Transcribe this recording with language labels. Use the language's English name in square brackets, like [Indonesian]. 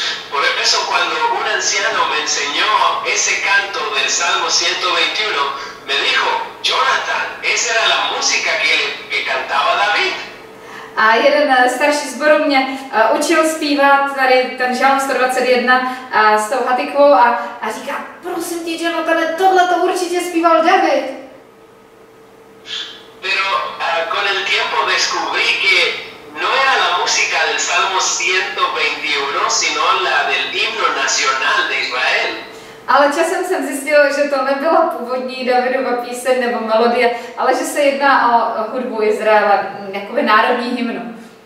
[Spanish] Por eso cuando un anciano me enseñó ese canto del Salmo 121, me dijo, Jonathan, esa era la música que cantaba David. [Czech] A jeden starší sboru mě učil zpívat tady ten žalm 121 s tou Hatikvou a říká, prosím tě, Jonathan, tohle to určitě zpíval David. [Spanish] Pero con el tiempo descubrí que no era la música del Salmo 121, sino la del himno nacional de Israel. [Czech] Ale časem jsem zjistil, že to nebyla původní Davidova píseň nebo melodie, ale že se jedná o hudbu Izraela, jakoby národní hymnu.